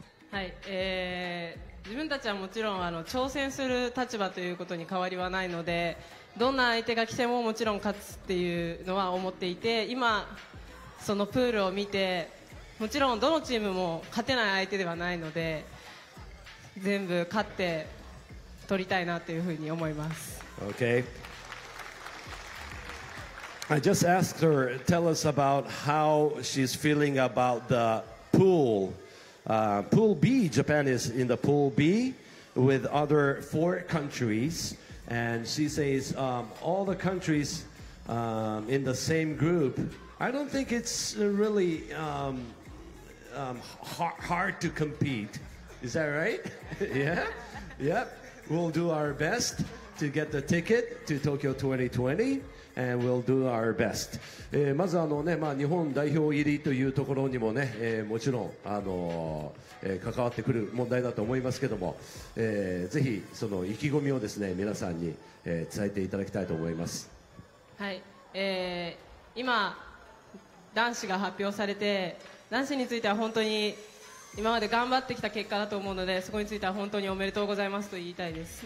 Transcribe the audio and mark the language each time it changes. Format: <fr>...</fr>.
<ja>はい、自分たちはもちろん挑戦する立場ということに変わりはないので、どんな相手が来てももちろん勝つっていうのは思っていて、今そのプールを見て、もちろんどのチームも勝てない相手ではないので、全部勝って取りたいなというふうに思います。</ja> <en>Okay. I just asked her, tell us about how she's feeling about the pool. Pool B, Japan is in the pool B with other four countries. And she says all the countries in the same group,I don't think it's really hard to compete. Is that right? Yeah? Yep. We'll do our best to get the ticket to Tokyo 2020, and we'll do our best.</en> <ja>まず日本代表入りというところにもね、もちろん関わってくる問題だと思いますけども、ぜひその意気込みをですね、皆さんに、伝えていただきたいと思います。はい。今男子が発表されて、男子については本当に今まで頑張ってきた結果だと思うので、そこについては本当におめでとうございますと言いたいです。</ja>